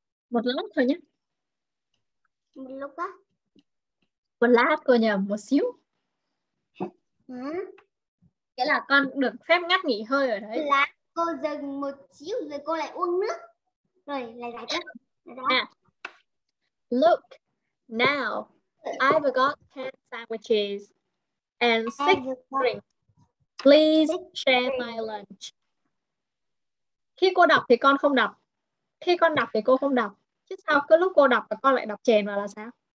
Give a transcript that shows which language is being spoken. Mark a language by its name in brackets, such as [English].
[Vietnamese] Một lát thôi nhé. Một lúc á. Một lát cô nhầm, một xíu. Nghĩa là con được phép ngắt nghỉ hơi ở đấy. Là cô dừng một xíu rồi cô lại uống nước. Rồi, lại giải thích. [English] Look, now, I've got 10 sandwiches and 6 drinks. Please share my lunch. [Vietnamese] Khi cô đọc thì con không đọc. Khi con đọc thì cô không đọc. Chứ sao cứ lúc cô đọc và con lại đọc chèn vào là sao?